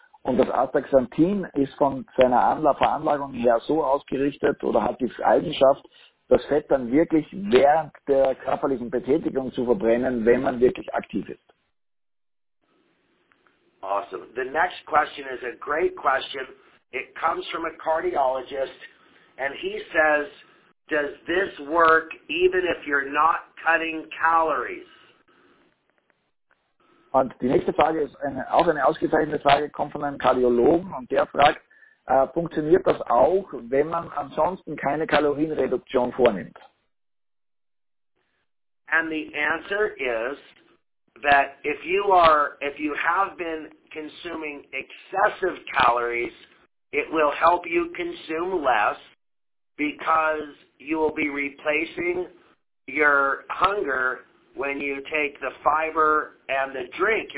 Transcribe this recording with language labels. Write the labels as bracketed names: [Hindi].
[German] Und das Astaxanthin ist von seiner Veranlagung her so ausgerichtet oder hat die Eigenschaft, das Fett dann wirklich während der körperlichen Betätigung zu verbrennen, wenn man wirklich aktiv ist. [English] Awesome. The next question is a great question. It comes from a cardiologist, and he says, does this work even if you're not cutting calories? [German] Und die nächste Frage ist auch eine ausgezeichnete Frage, kommt von einem Kardiologen, und der fragt, funktioniert das auch, wenn man ansonsten keine Kalorienreduktion vornimmt? [English] And the answer is that if you have been consuming excessive calories, it will help you consume less because you will be replacing your hunger when you take the fiber and the drink.